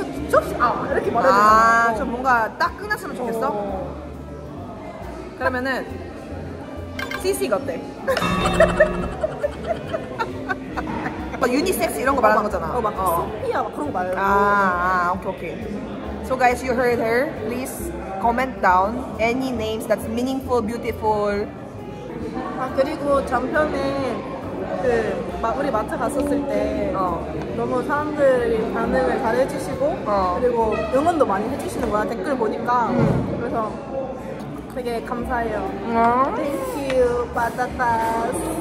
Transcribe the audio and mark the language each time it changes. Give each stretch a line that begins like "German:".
Korean: 조슈아 이렇게 말해도 아, 좀 뭔가 딱 끝났으면 좋겠어? 그러면은 CC 어때? 막 유니섹스 이런 거 말하는 거잖아. 막 소피아 막 그런 거 말해. 오케이 오케이.
English: So guys, you heard her. Please comment down any names that's meaningful, beautiful.
Korean: 아 그리고 전편에 그 우리 마트 갔었을 때 너무 사람들이 반응을 잘 해주시고 그리고 응원도 많이 해주시는 거야 댓글 보니까 그래서 되게 감사해요.
English: Thank you, 바다타스.